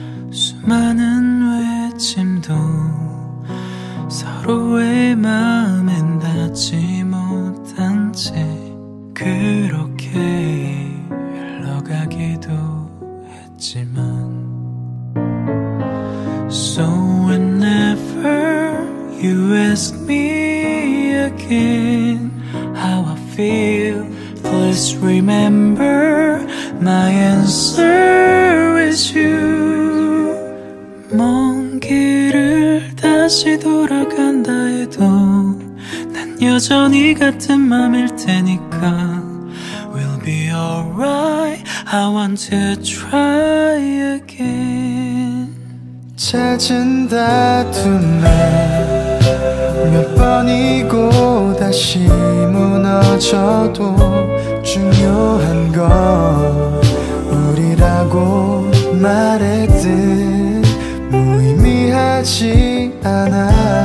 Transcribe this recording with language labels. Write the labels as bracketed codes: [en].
[ko] 수많은 외침도 서로의 마음엔 닿지 못한 채 그렇게 흘러가기도 했지만. [en] So whenever you ask me again how I feel, please remember my answer is you. [ko] 먼 길을 다시 돌아간다 해도 난 여전히 같은 맘일 테니까. [en] We'll be alright, I want to try again. [ko] 찾은다 두말 몇 번이고 다시 무너져도 중요한 건 우리라고 말했듯 무의미하지 않아.